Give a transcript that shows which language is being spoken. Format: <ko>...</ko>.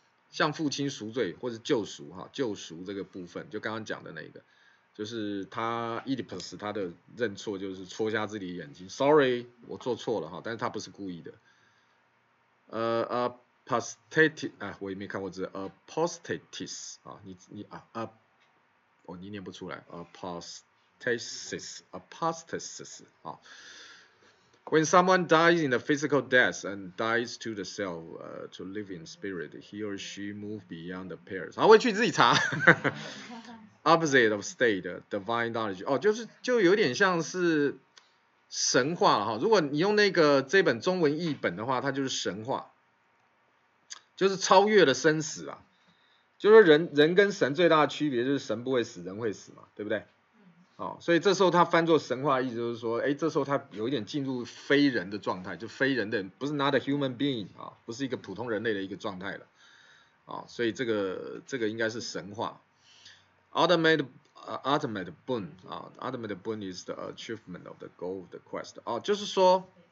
<zh>向父亲赎罪或是救赎哈，救赎这个部分就刚刚讲的那个，就是他 Oedipus 他的认错就是戳瞎自己的眼睛 ，Sorry， 我做错了哈，但是他不是故意的。 Apostatis 啊，我也没看过字 ，Apostatis 啊，你啊啊，哦你念不出来 ，Apostasis 啊。</zh> <en>When someone dies in a physical death and dies to the self, to live in spirit, he or she moves beyond the pairs.</en> <zh>好，回去自己查。</zh> <en>Opposite of state, divine knowledge.</en> <zh>哦，就有点像是神话哈。如果你用那个这本中文译本的话，它就是神话，就是超越了生死啊。就是人跟神最大的区别就是神不会死，人会死嘛，对不对？哦、所以这时候他翻作神话意思就是说这时候他有一点进入非人的状态，就非人的不是</zh> <en>not a human being、</en> <zh>哦、不是一个普通人类的一个状态了、哦、所以这个应该是神话</zh> <en>ultimate boon、哦、ultimate boon is the achievement of the goal of the quest、</en> <zh>哦、就是说</zh>